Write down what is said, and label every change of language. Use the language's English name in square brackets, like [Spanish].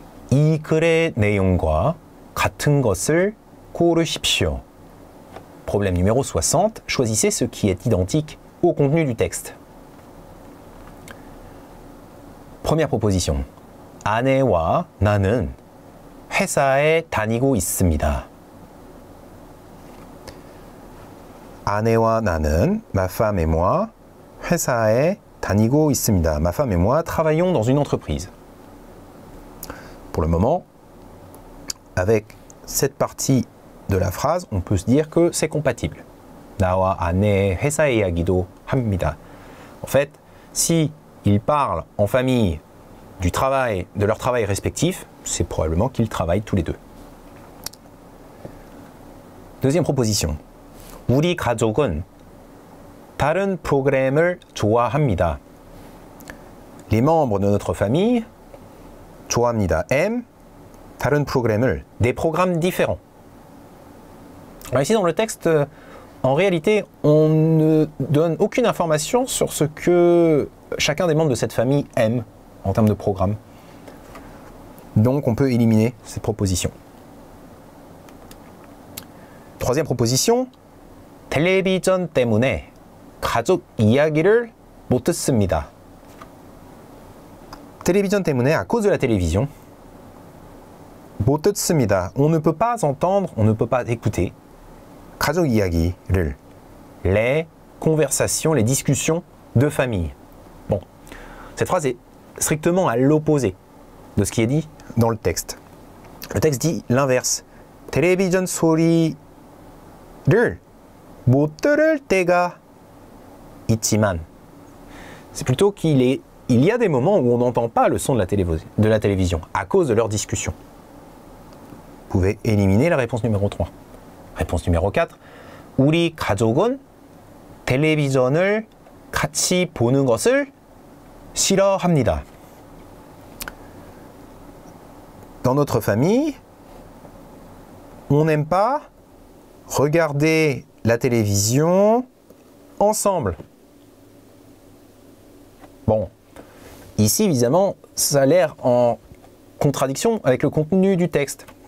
[Korean] 이 글의 내용과 같은 것을 고르십시오. [French] Problème numéro 60. Choisissez ce qui est identique au contenu du texte. Première proposition. [Korean] 아내와 나는 회사에 다니고 있습니다. 아내와 나는, [French] ma femme et moi, [Korean] 회사에 다니고 있습니다. [French] Ma femme et moi travaillons dans une entreprise. Pour le moment, avec cette partie de la phrase, on peut se dire que c'est compatible. [Korean] 나와 아내 회사 이야기도 합니다. [French] En fait, si ils parlent en famille du travail, de leur travail respectif, c'est probablement qu'ils travaillent tous les deux. Deuxième proposition. [Korean] 우리 가족은 다른 프로그램을 좋아합니다. [French] Les membres de notre famille [Korean] 좋아합니다. M 다른 프로그램을 [French] des programmes différents. Alors ici dans le texte, en réalité, on ne donne aucune information sur ce que chacun des membres de cette famille aime en termes de programme. Donc on peut éliminer cette proposition. Troisième proposition. [Korean] 텔레비전 때문에 가족 이야기를 못 듣습니다. 텔레비전 때문에, [French] à cause de la télévision, [Korean] 못 듣습니다. [French] On ne peut pas entendre, on ne peut pas écouter. [Korean] 가족 이야기를. [French] Les conversations, les discussions de famille. Bon, cette phrase est strictement à l'opposé de ce qui est dit dans le texte. Le texte dit l'inverse. [Korean] 텔레비전 소리를 못 들을 때가 있지만. [French] C'est plutôt qu'il est, il y a des moments où on n'entend pas le son de la télévision à cause de leur discussion. Vous pouvez éliminer la réponse numéro 3. Réponse numéro 4. [Korean] 우리 가족은 télévision을 같이 보는 것을 싫어합니다. [French] Dans notre famille, on n'aime pas regarder la télévision ensemble. Bon, ici, évidemment, ça a l'air en contradiction avec le contenu du texte.